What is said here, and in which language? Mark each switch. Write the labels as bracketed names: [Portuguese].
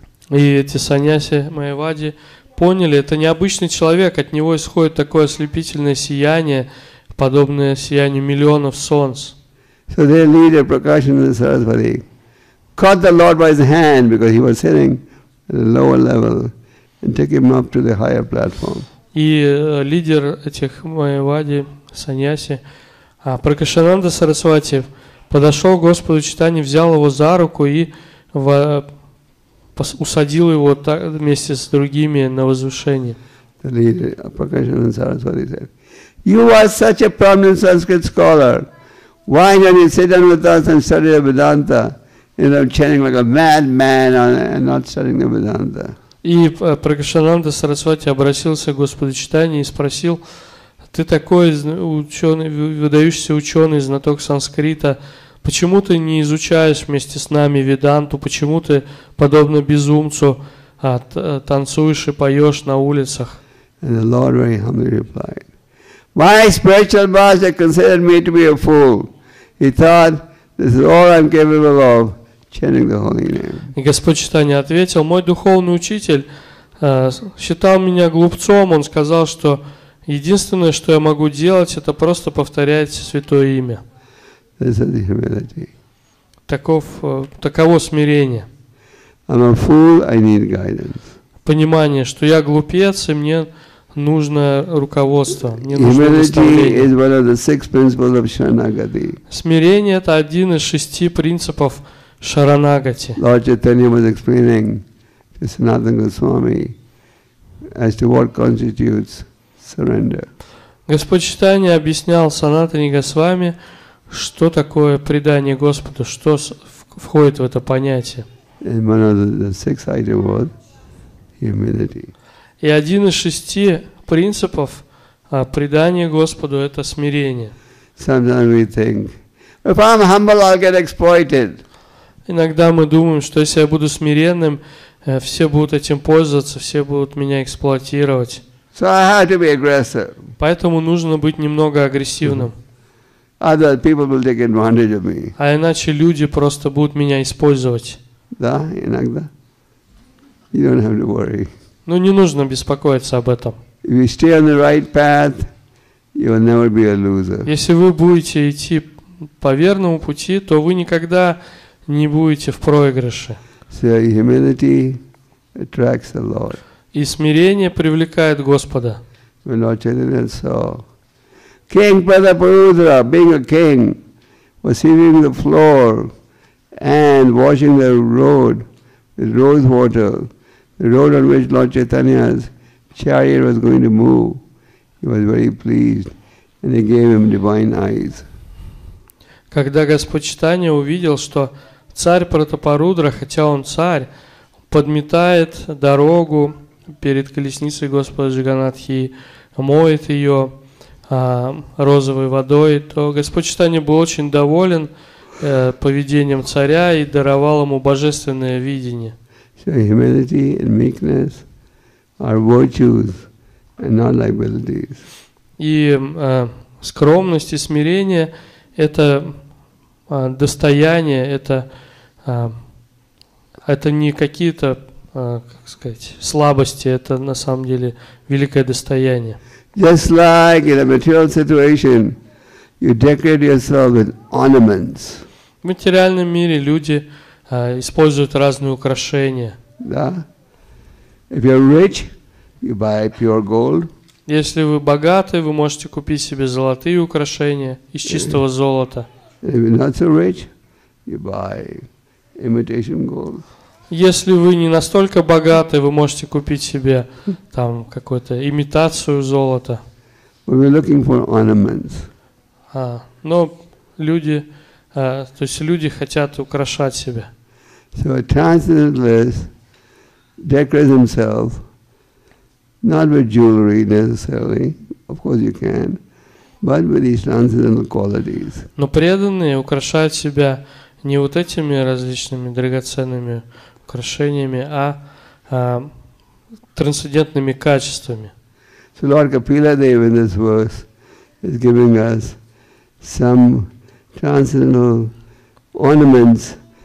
[Russian] И эти саньяси Майявади поняли, это необычный человек, от него исходит такое ослепительное сияние, подобное сиянию миллионов солнц. [English] So their leader, Prakashananda Sarasvati, caught the Lord by his hand, because he was sitting at a lower level, and took him up to the higher platform. [Russian] И лидер этих Майявади, саньяси, Пракашананда Сарасвати, подошел к Господу Чайтанье, взял его за руку и усадил его так, вместе с другими на возвышение. [English] The leader, Prakashananda Sarasvati, said, "You are such a prominent Sanskrit scholar. Why don't you sit down with us and study the Vedanta? You know, chanting like a madman and not studying the Vedanta." [Russian] И Пракашананда Сарасвати обратился к Господу Чайтанье и спросил: "Ты такой ученый, выдающийся ученый, знаток санскрита. Почему ты не изучаешь вместе с нами Веданту? Почему ты, подобно безумцу, танцуешь и поешь на улицах?" [English] And the Lord very humbly replied, "My spiritual master considered me to be a fool. He thought this is all I'm capable of, chanting the holy name." [Russian] И Господь Чайтанья ответил: "Мой духовный учитель считал меня глупцом. Он сказал, что единственное, что я могу делать, это просто повторять святое имя." [English] This is humility. [Russian] Таково смирение. [English] I'm a fool, I need guidance. [Russian] Понимание, что я глупец, и мне нужно руководство. [English] Humility is one of the six principles of Sharanagati. [Russian] Смирение – это один из шести принципов Шаранагати. [English] Lord Chaitanya was explaining to Sanatana Goswami as to what constitutes surrender. [Russian] Господь Чайтанья объяснял Санатане Госвами, что такое предание Господу, что входит в это понятие. [English] And one of the six items was humility. [Russian] И один из шести принципов предания Господу – это смирение. [English] Sometimes we think, if I'm humble, I'll get exploited. [Russian] Иногда мы думаем, что если я буду смиренным, все будут этим пользоваться, все будут меня эксплуатировать. [English] So I have to be aggressive. [Russian] Поэтому нужно быть немного агрессивным. [English] Other people will take advantage of me. [Russian] А иначе люди просто будут меня использовать. Да, иногда. [English] You don't have to worry. [Russian] Ну, не нужно беспокоиться об этом. [English] If you stay on the right path, you will never be a loser. [Russian] Если вы будете идти по верному пути, то вы никогда не будете в проигрыше. [English] So humility attracts the Lord. [Russian] И смирение привлекает Господа. [English] When Lord Chaitanya saw King Pratapurudra, being a king, was sweeping the floor and washing the road with rose water, the road on which Lord Chaitanya's chariot was going to move, he was very pleased, and he gave him divine eyes. [Russian] Когда Господь Чайтанья увидел, что царь Пратапарудра, хотя он царь, подметает дорогу перед колесницей Господа Джаганнатхи, моет ее розовой водой, то Господь Чайтанья был очень доволен поведением царя и даровал ему божественное видение. [English] So humility and meekness are virtues and not liabilities. [Russian] И скромность и смирение – это достояние, это не какие-то как сказать, слабости, это на самом деле великое достояние. [English] Just like in a material situation, you decorate yourself with ornaments. [Russian] В материальном мире люди используют разные украшения. [English] Да. If you're rich, you buy pure gold. [Russian] Если вы богаты, вы можете купить себе золотые украшения из чистого золота. [English] If you're not so rich, you buy imitation gold. [Russian] Если вы не настолько богаты, вы можете купить себе там какую-то имитацию золота. [English] We're looking for ornaments. [Russian] Но люди, то есть люди хотят украшать себя. [English] So a transcendentalist decorates himself not with jewelry necessarily, of course you can, but with these transcendental qualities. [Russian] Но преданные украшают себя не вот этими различными драгоценными украшениями, а трансцендентными качествами. [English] So Lord Kapila Dev in this verse is giving us some transcendental ornaments